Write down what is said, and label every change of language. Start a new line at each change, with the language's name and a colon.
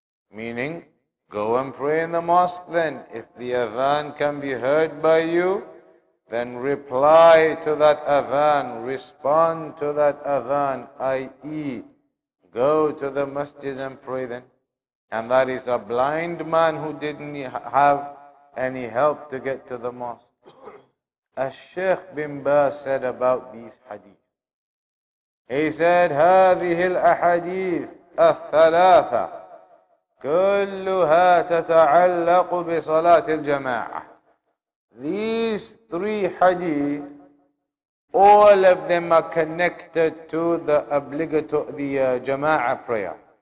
English: Meaning, go and pray in the mosque then. If the adhan can be heard by you, then reply to that adhan, respond to that adhan, i.e. go to the masjid and pray then. And that is a blind man who didn't have any help to get to the mosque. As Sheikh bin Baz said about these hadith, he said,
Arabic: هذه الأحاديث الثلاثة كلها تتعلق بصلاة الجماعة.
English: These three hadith, all of them are connected to the obligatory, the jama'ah prayer.